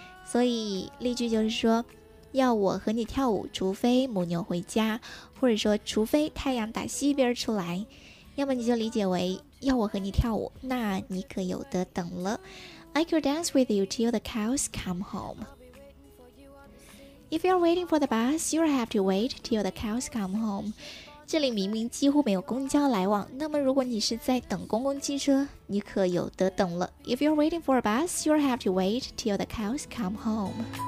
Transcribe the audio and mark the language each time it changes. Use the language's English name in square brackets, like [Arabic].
[Chinese] 所以例句就是说，要我和你跳舞，除非母牛回家，或者说除非太阳打西边出来。要么你就理解为，要我和你跳舞，那你可有得等了。 [English] I could dance with you till the cows come home. If you're waiting for the bus, you'll have to wait till the cows come home. [Chinese] 这里明明几乎没有公交来往，那么如果你是在等公共汽车，你可有得等了。 [English] If you're waiting for a bus, you'll have to wait till the cows come home.